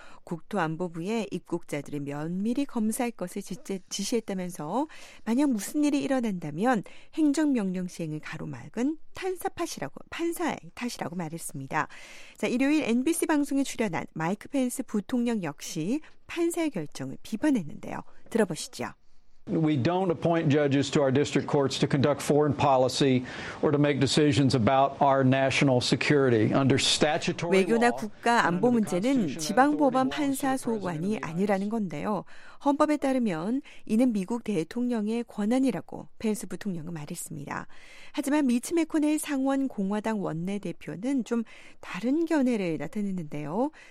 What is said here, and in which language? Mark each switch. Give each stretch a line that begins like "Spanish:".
Korean: 국토안보부에 입국자들을 면밀히 검사할 것을 지시했다면서 만약 무슨 일이 일어난다면 행정명령 시행을 가로막은 판사의 탓이라고 말했습니다. 자, 일요일 NBC 방송에 출연한 마이크 펜스 부통령 역시 판사의 결정을 비판했는데요. 들어보시죠.
English: We don't appoint judges to our district courts to conduct foreign policy or to make decisions about our national security under statutory law.
Korean: 외교나 국가 안보 문제는 지방 법원 판사 소관이 아니라는 건데요. 헌법에 따르면 이는 미국 대통령의 권한이라고 펜스 부통령은 말했습니다. 하지만 미치 맥코넬 상원 공화당 원내대표는 좀 다른 견해를 나타냈는데요.